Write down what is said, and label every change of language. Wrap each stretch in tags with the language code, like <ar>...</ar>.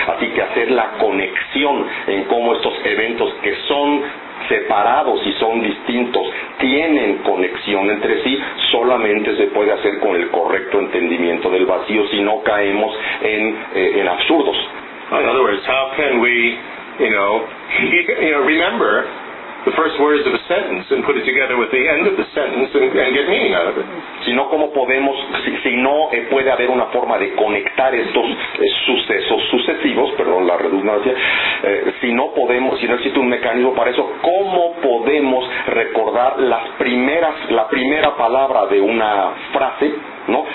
<es>Así que hacer la conexión en cómo estos eventos que son separados y son distintos tienen conexión entre sí, solamente se puede hacer con el correcto entendimiento del vacío, si no caemos en absurdos.</es> <en>In other words, how can we remember the first words of a sentence and put it together with the end of the sentence and get meaning out of it.</en> <es>Sino cómo podemos, sino puede haber una forma de conectar estos sucesos sucesivos, perdón la redundancia, sino existe un mecanismo para eso, ¿cómo podemos recordar las primeras, la primera palabra de una frase, ¿no?</es>